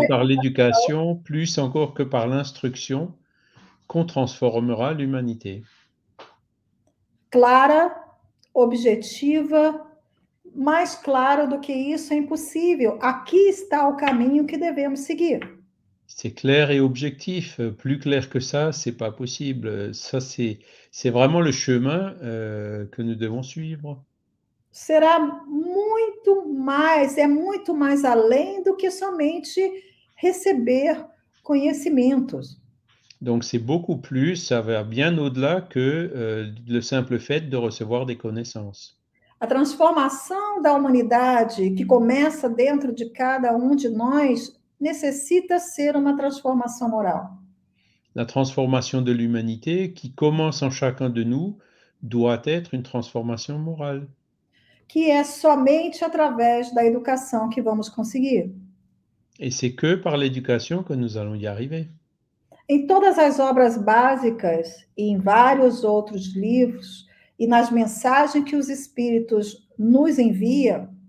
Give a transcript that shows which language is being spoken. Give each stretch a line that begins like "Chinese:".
French: c'est par l'éducation, plus encore que par l'instruction, qu'on transformera l'humanité.
Portuguese: clara, objetiva, mais claro do que isso é impossível. Aqui está o caminho que devemos seguir.
French: C'est clair et objectif. Plus clair que ça, c'est pas possible. Ça, c'est vraiment le chemin que nous devons suivre.
Portuguese: Será muito mais, é muito mais além do que somente receber conhecimentos.
French: Donc, c'est beaucoup plus, ça va bien au-delà que le simple fait de recevoir des connaissances.
Portuguese: A transformação da humanidade que começa dentro de cada um de nós necessita ser uma transformação moral.
French: La transformation de l'humanité qui commence en chacun de nous doit être une transformation morale.
Portuguese: Que é somente através da educação que vamos conseguir.
French: Et c'est que par l'éducation que nous allons y arriver.
Portuguese: Em todas as obras básicas e em vários outros livros, e nas mensagens que os Espíritos nos enviam.